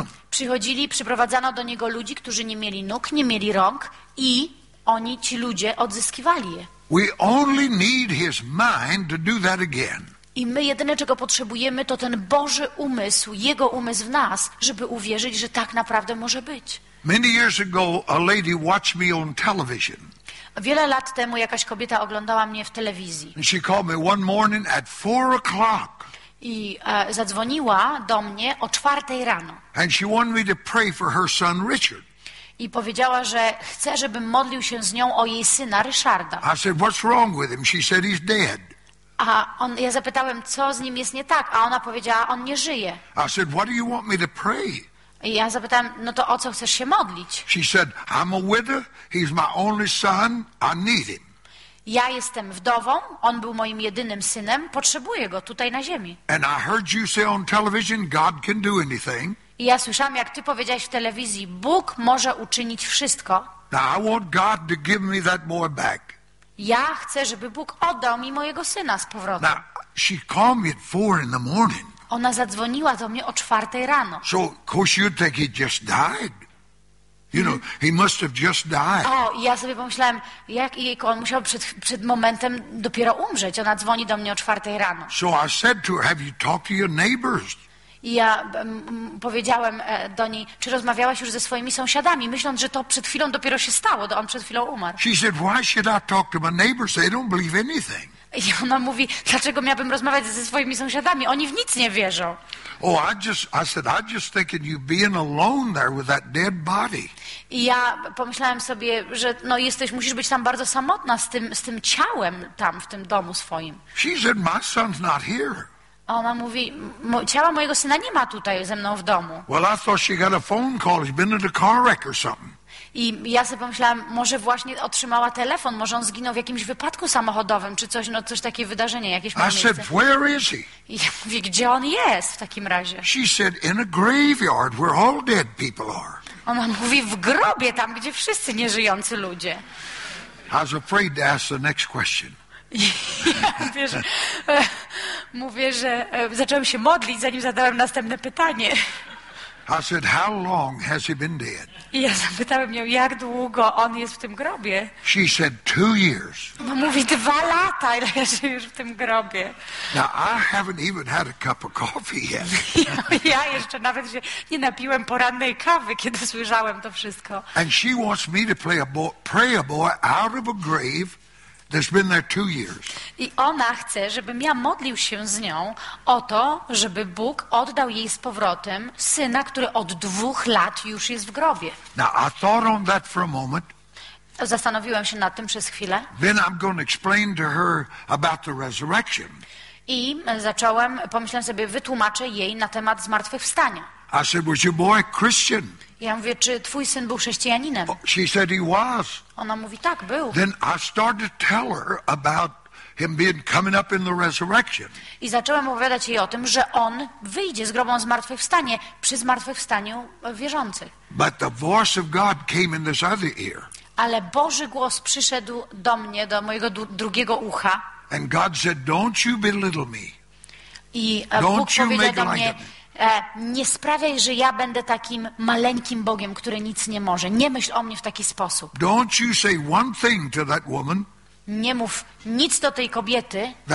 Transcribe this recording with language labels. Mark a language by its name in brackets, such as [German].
[Polish] Przychodzili, przyprowadzano do Niego ludzi, którzy nie mieli nóg, nie mieli rąk i oni, ci ludzie, odzyskiwali je. [English] We only need His mind to do that again. [Polish] I my jedyne, czego potrzebujemy, to ten Boży umysł, Jego umysł w nas, żeby uwierzyć, że tak naprawdę może być. [English] Many years ago, a lady watched me on television. [Polish] Wiele lat temu jakaś kobieta oglądała mnie w telewizji. [English] And she called me one morning at 4 o'clock. [Polish] I zadzwoniła do mnie o 4 rano. [English] And she wanted me to pray for her son Richard. [Polish] I powiedziała, że chce, żebym modlił się z nią o jej syna Ryszarda. [English] I said, what's wrong with him? She said, he's dead. [Polish] Ja zapytałem, co z nim jest nie tak, a ona powiedziała, on nie żyje. [English] I said, what do you want me to pray? [Polish] I ja zapytałem, no to o co chcesz się modlić? [English] She said, I'm a widow, he's my only son, I need him. [Polish] Ja jestem wdową, on był moim jedynym synem, potrzebuję go tutaj na ziemi. [English] And I heard you say on television, God can do anything. [Polish] I ja słyszałem, jak ty powiedziałeś w telewizji, Bóg może uczynić wszystko. [English] Now I want God to give me that boy back. [Polish] Ja chcę, żeby Bóg oddał mi mojego syna z powrotem. [English] Now, she called me at 4 in the morning. [Polish] Ona zadzwoniła do mnie o 4 rano. [English] So, of course you'd think he just died. You know, he must have just died. [Polish] O, ja sobie pomyślałem, jak jej on musiał przed momentem dopiero umrzeć. Ona dzwoni do mnie o 4 rano. [English] So I said to her, have you talked to your neighbors? [Polish] I ja powiedziałem do niej, czy rozmawiałaś już ze swoimi sąsiadami, myśląc, że to przed chwilą dopiero się stało, on przed chwilą umarł. [English] She said, why should I talk to my neighbors? They don't believe anything. [Polish] I ona mówi, dlaczego miałbym rozmawiać ze swoimi sąsiadami? Oni w nic nie wierzą. [English] Oh, I just thinking you being alone there with that dead body. [Polish] I ja pomyślałem sobie, że no jesteś, musisz być tam bardzo samotna z tym ciałem tam w tym domu swoim. [English] She said, my son's not here. [Polish] A ona mówi, ciała mojego syna nie ma tutaj ze mną w domu. [English] Well, I thought she got a phone call. He's been in a car wreck or something. [Polish] I ja sobie pomyślałam, może właśnie otrzymała telefon, może on zginął w jakimś wypadku samochodowym, czy coś, no coś takie wydarzenie, jakieś miejsce. [English] I said, where is he? [Polish] I ja mówię, gdzie on jest w takim razie? [English] She said, in a graveyard where all dead people are. [Polish] Ona mówi, w grobie, tam gdzie wszyscy nieżyjący ludzie. [English] I was afraid to ask the next question. [Polish] Ja wiesz, mówię, że zacząłem się modlić, zanim zadałem następne pytanie. [English] I said, how long has he been dead? [Polish] I ja zapytałem ją, jak długo on jest w tym grobie. [English] She said, 2 years. [Polish] Bo mówi, 2 lata, ile leży już w tym grobie. [English] Now, I haven't even had a cup of coffee yet. [Polish] Ja jeszcze nawet się nie napiłem porannej kawy, kiedy słyszałem to wszystko. [English] And she wants me to pray a boy out of a grave. There's been there 2 years. [Polish] I ona chce, żebym ja modlił się z nią o to, żeby Bóg oddał jej z powrotem syna, który od 2 lat już jest w grobie. [English] Now, I thought on that for a moment. [Polish] Zastanowiłem się nad tym przez chwilę. [English] Then I'm going to explain to her about the resurrection. [Polish] I zacząłem, pomyślałem sobie, wytłumaczę jej na temat zmartwychwstania. [English] I said, was your boy Christian? [Polish] Ja mówię, czy twój syn był chrześcijaninem? [English] She said he was. [Polish] Ona mówi, tak, był. [English] Then I started to tell her about him being coming up in the resurrection. [Polish] I zacząłem opowiadać jej o tym, że on wyjdzie z grobą zmartwychwstanie przy zmartwychwstaniu wierzących. [English] But the voice of God came in this other ear. [Polish] Ale Boży głos przyszedł do mnie, do mojego drugiego ucha. [English] And God said, don't you belittle me. [Polish] I Bóg powiedział do mnie, nie sprawiaj, że ja będę takim maleńkim Bogiem, który nic nie może. Nie myśl o mnie w taki sposób. [English] Don't you say one thing to that woman, [Polish] nie mów nic do tej kobiety.